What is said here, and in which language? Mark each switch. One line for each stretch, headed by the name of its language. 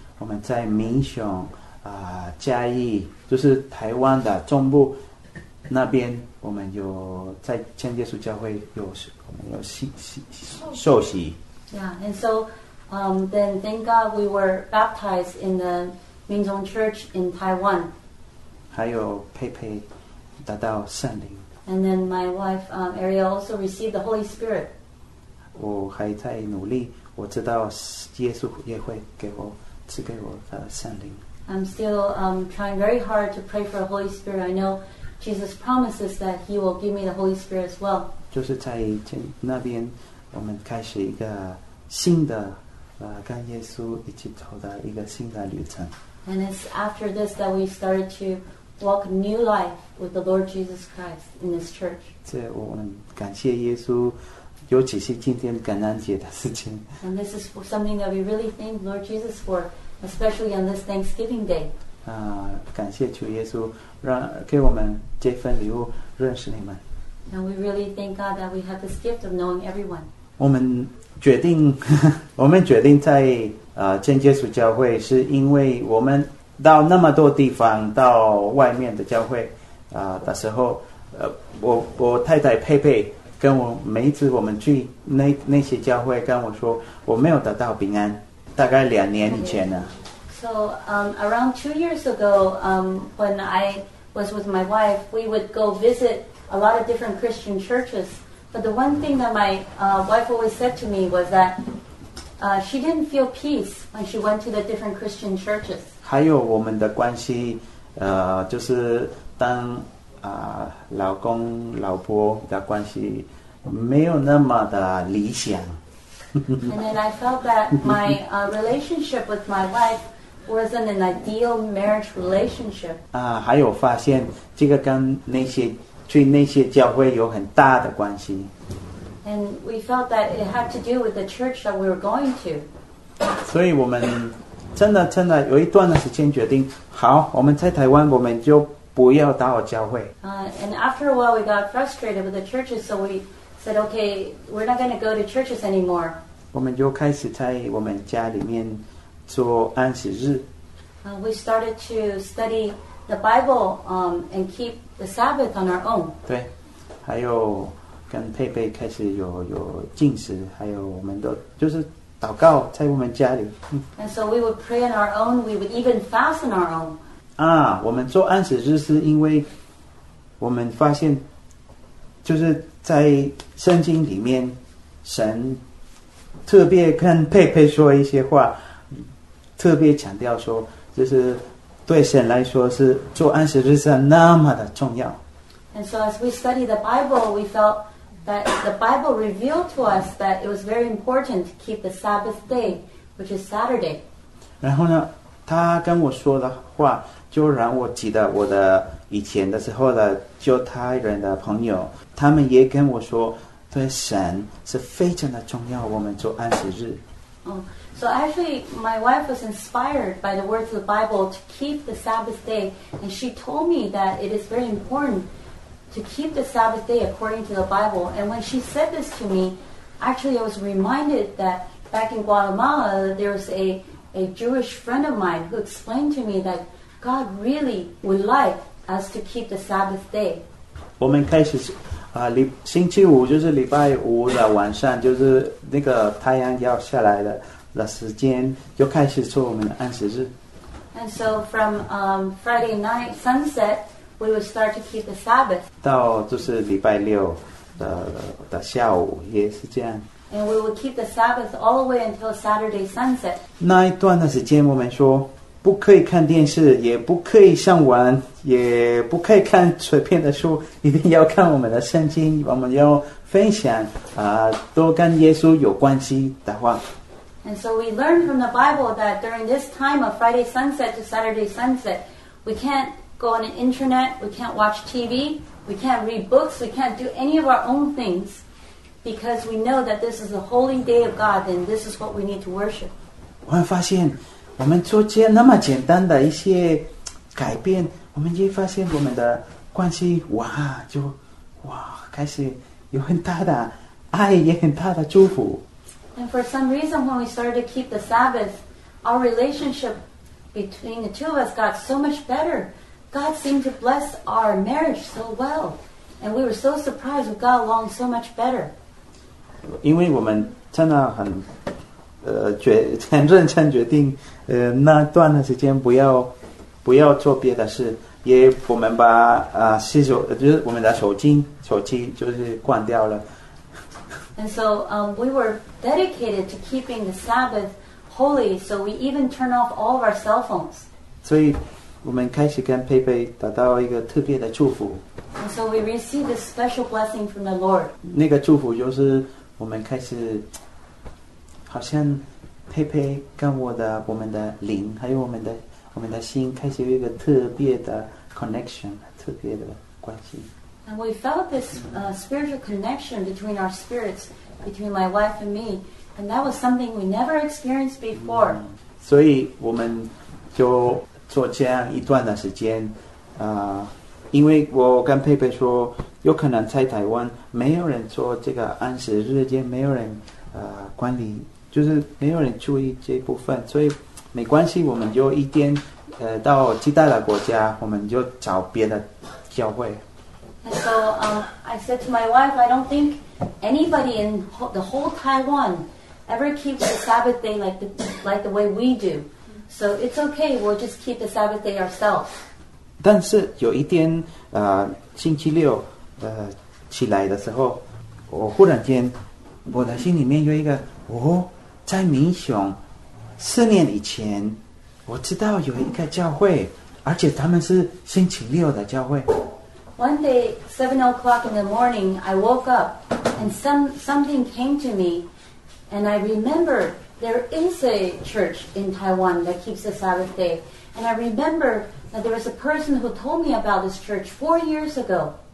Chinese: 我们在民雄、嘉义，就是台湾的中部那边，我们有在千耶稣教会有我们有受洗。
English: Yeah, and so, then thank God we were baptized in the民雄 Church in Taiwan.
Chinese: 还有佩佩得到圣灵。
English: And then my wife, Ariel also received the Holy Spirit.
Chinese: 我还在努力，我知道耶稣也会给我赐给我的圣灵。
English: I'm still trying very hard to pray for the Holy Spirit. I know Jesus promises that He will give me the Holy Spirit as well.
Chinese: 就是在那边，我们开始一个新的、跟耶稣一起走的一个新的旅程。
English: And it's after this that we started to walk new life with the Lord Jesus Christ in this church.
Chinese: 这我们感谢耶稣，尤其是今天感恩节的事情。
English: And this is something that we really thank Lord Jesus for. Especially on this Thanksgiving Day.
Chinese: 感谢主耶稣让给我们这份礼物认识你们。
English: And we really thank God that we have this gift of knowing everyone.
Chinese: 我们决定，我们决定在真耶稣教会，是因为我们到那么多地方，到外面的教会的时候，我太太佩佩跟我每一次我们去那些教会跟我说，我没有得到平安。大概两年以前呢。
English: So, around 2 years ago, when I was with my wife, we would go visit a lot of different Christian churches. But the one thing that my wife always said to me was that she didn't feel peace when she went to the different Christian churches.
Chinese: 还有我们的关系，就是当老公老婆的关系没有那么的理想。
English: And then I felt that my relationship with my wife wasn't an ideal marriage relationship.
Chinese: 还有发现这个跟那些教会有很大的关系。
English: And we felt that it had to do with the church that we were going to.
Chinese: 所以我们真的有一段的时间决定，好，我们在台湾我们就不要到教会。
English: And after a while, we got frustrated with the churches, so we. Said, okay, we're not going to go to churches anymore.
Chinese: 我们就开始在我们家里面做安息日。
English: We started to study the Bible, and keep the Sabbath on our own.
Chinese: 对，还有跟佩佩开始有禁食，还有我们都就是祷告在我们家里。
English: And so we would pray on our own. We would even fast on our own.
Chinese: 我们做安息日是因为我们发现就是。在圣经里面，神特别跟佩佩说一些话，特别强调说，就是对神来说是做安息日是那么的重要。
English: And so as we study the Bible, we felt that the Bible revealed to us that it was very important to keep the Sabbath day, which is Saturday.
Chinese: 然后呢，他跟我说的话就让我记得我的以前的时候的犹太人的朋友。他们也跟我说，对神是非常的重要。我们做安息日。
English: So actually, my wife was inspired by the words of the Bible to keep the Sabbath day, and she told me that it is very important to keep the Sabbath day according to the Bible. And when she said this to me, actually, I was reminded that back in Guatemala, there was a Jewish friend of mine who explained to me that God really would like us to keep the Sabbath day.
Chinese: 我们开始。星期五就是礼拜五的晚上，就是那个太阳要下来的时间，就开始做我们的安息日。
English: And so from Friday night sunset, we would start to keep the Sabbath.
Chinese: 到就是礼拜六的下午也是这样。
English: And we would keep the Sabbath all the way until Saturday sunset.
Chinese: 那一段的时间，我们说不可以看电视，也不可以上网。也不可以看随便的书，一定要看我们的圣经。我们要分享都跟耶稣有关系的话。
English: And so we learned from the Bible that during this time of Friday sunset to Saturday sunset, we can't go on the internet, we can't watch TV, we can't read books, we can't do any of our own things, because we know that this is the holy day of God, and this is what we need to worship.
Chinese: 我们发现，我们做这那么简单的一些改变，我们就发现我们的关系哇，就哇开始有很大的爱，也很大的祝福。
English: And for some reason, when we started to keep the Sabbath, our relationship between the two of us got so much better. God seemed to bless our marriage so well, and we were so surprised we got along so much better.
Chinese: 因为我们真的很很认真决定那段的时间不要做别的事，也我们把就是我们的手机就是关掉了。
English: And so, we were dedicated to keeping the Sabbath holy, so we even turn off all of our cell phones.
Chinese: 所以我们开始跟佩佩得到一个特别的祝福。
English: And so we received a special blessing from the Lord.
Chinese: 那个祝福就是我们开始好像佩佩跟我们的灵还有我们的心开始有一个特别的 connection, 特别的关系。
English: And we felt this spiritual connection between our spirits, between my wife and me, and that was something we never experienced before.
Chinese: 所以我们就做这样一段的时间因为我跟佩佩说有可能在台湾没有人做这个安息日间没有人管理就是没有人注意这部分所以没关系我们就一天到其他的国家我们就找别的教会
English: And so I said to my wife I don't think anybody in the whole Taiwan ever keeps the Sabbath day like the way we do so it's okay we'll just keep the Sabbath day ourselves
Chinese: 但是有一天星期六起来的时候我忽然间我的心里面有一个我在冥想四年以前我知道有一个教会而且他们是星期六的教会
English: One day 7 o'clock in the morning I woke up and something came to me and I remember there is a church in Taiwan that keeps the Sabbath day and I remember that there was a person who told me about this church 4 years ago